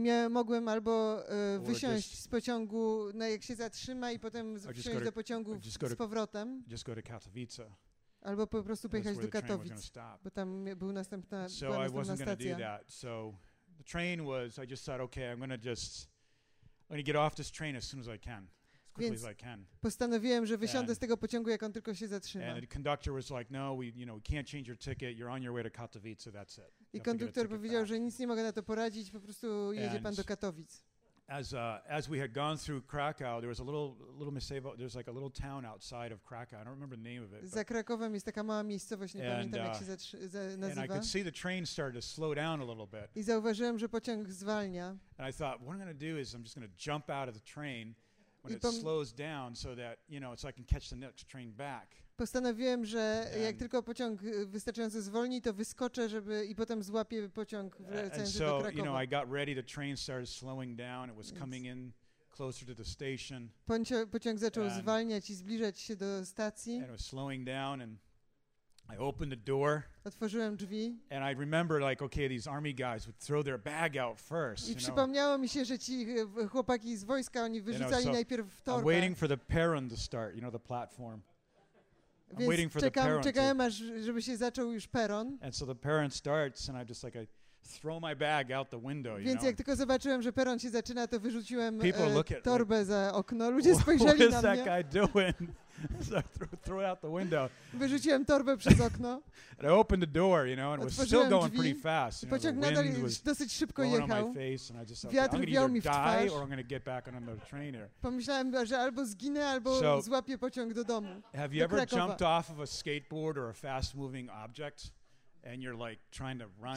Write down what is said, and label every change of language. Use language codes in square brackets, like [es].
[pl] Mogłem albo wysiąść z pociągu, no, jak się zatrzyma i potem wsiąść do pociągu z powrotem. [en] Just go to Katowice. [pl] Albo po prostu pojechać do Katowic, bo tam była następna stacja. [en] The train was, I just thought, okay, I'm gonna get off this train as soon as I can, as quickly as I can. [pl] Postanowiłem, że wysiądę z tego pociągu, jak on tylko się zatrzyma. [en] And the conductor was like, no, we can't change your ticket, you're on your way to Katowice, that's it. [pl] I konduktor powiedział, że nic nie mogę na to poradzić, po prostu jedzie pan do Katowic. [en] As we had gone through Krakow, there was a little Misevo, there's like a little town outside of Krakow. I don't remember the name of it. [pl] Za Krakowem jest taka mała miejscowość, nie pamiętam, jak się nazywa. [en] And I could see the train started to slow down a little bit. [pl] I zauważyłem, że pociąg zwalnia. [en] And I thought, what I'm going to do is I'm just going to jump out of the train when it slows down so that, you know, so I can catch the next train back. [pl] postanowiłem, że jak tylko pociąg wystarczająco zwolni, to wyskoczę, żeby i potem złapię pociąg wracający do Krakowa. [en] You know, I got ready, the train started slowing down, it was coming in closer to the station. [pl] Pociąg zaczął zwalniać i zbliżać się do stacji. [en] And it was slowing down and I opened the door. [pl] Otworzyłem drzwi. [en] And I remember, like, okay, these army guys would throw their bag out first. [pl] I przypomniało mi się, że ci chłopaki z wojska, oni wyrzucali najpierw torbę. [en] I'm waiting for the peron to start, you know, the platform. I'm waiting for the peron. [pl] Czekałem, aż żeby się zaczął już peron. [en] And so the peron starts, and I'm just like, I throw my bag out the window. [pl] Więc [en] you know? [pl] Jak tylko zobaczyłem, że peron się zaczyna, to wyrzuciłem torbę za okno. Ludzie spojrzeli na mnie. [en] What is that guy doing? So I threw it out the window. [pl] Wyrzuciłem torbę przez okno. [en] And I opened the door, you know, and it was still going pretty fast. You [pl] pociąg [en] know, the [pl] nadal [en] wind was [pl] dosyć szybko jechał. [en] On my face, and I just thought, I'm going to either die or I'm going to get back on another train here. [pl] Pomyślałem, że albo zginę, albo złapię pociąg do domu. [en] Have you ever jumped off of a skateboard or a fast-moving object? And you're like trying to run.